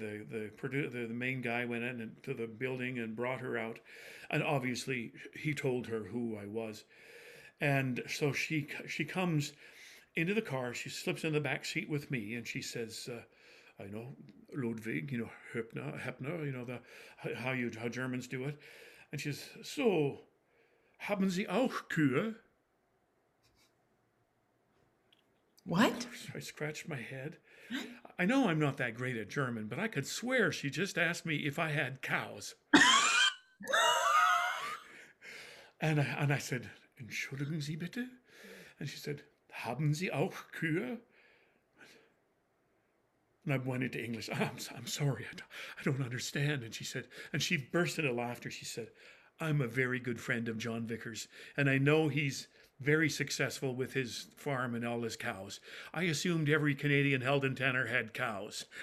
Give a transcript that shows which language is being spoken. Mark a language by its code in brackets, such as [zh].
[en] The main guy went into the building and brought her out. And obviously he told her who I was. And so she comes into the car. She slips in the back seat with me, and she says, I know Ludwig, you know, Heppner, you know, how Germans do it. And she says, so, [de] haben Sie auch Kühe? [en] What? So I scratched my head. I know I'm not that great at German, but I could swear she just asked me if I had cows. And I said, [de] entschuldigen Sie bitte? [en] And she said, [de] haben Sie auch Kühe? [en] And I went into English. I'm sorry, I don't understand. And she said, and she burst into laughter. She said, I'm a very good friend of John Vickers, and I know he's very successful with his farm and all his cows. I assumed every Canadian held in Tanner had cows.